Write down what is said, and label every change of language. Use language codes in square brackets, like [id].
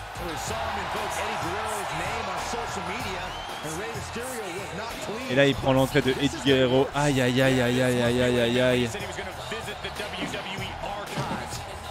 [en] We saw him invoke Eddie Guerrero's name on social media and Rey Mysterio was not clean. [fr] Et là il prend l'entrée de Eddie Guerrero. Aïe aïe aïe aïe aïe aïe aïe aïe aïe. [en] He said he was gonna visit the WWE archives.